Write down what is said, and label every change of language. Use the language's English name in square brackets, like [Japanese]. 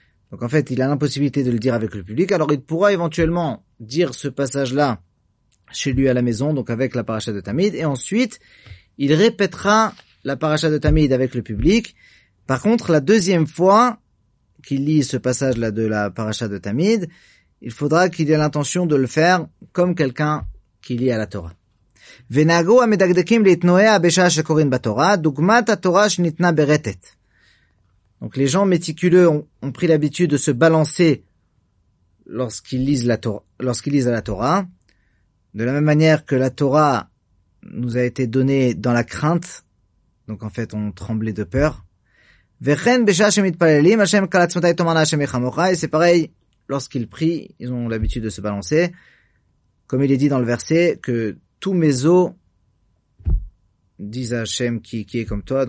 [French] Donc en fait, il a l'impossibilité de le dire avec le public. Alors il pourra éventuellement dire ce passage-là chez lui à la maison, donc avec la Parashat HaTamid. Et ensuite, il répétera la Parashat HaTamid avec le public. Par contre, la deuxième fois qu'il lit ce passage-là de la Parashat HaTamid, il faudra qu'il ait l'intention de le faire comme quelqu'un qui lit à la Torah. [Hebrew] ונהגו המדקדקים להתנועה בשעה שקורין בתורה, דוגמת התורה שניתנה ברטט. [French] Donc les gens méticuleux ont pris l'habitude de se balancer lorsqu'ils lisent la Torah, de la même manière que la Torah nous a été donnée dans la crainte, donc en fait on tremblait de peur. [Hebrew] וכן בשעה שמתפללים, השם קל עצמתי תאמר להשם יחמוך, [French] et c'est pareil, lorsqu'ils prient, ils ont l'habitude de se balancer, comme il est dit dans le verset que tous mes os disent à Hachem qui est comme toi.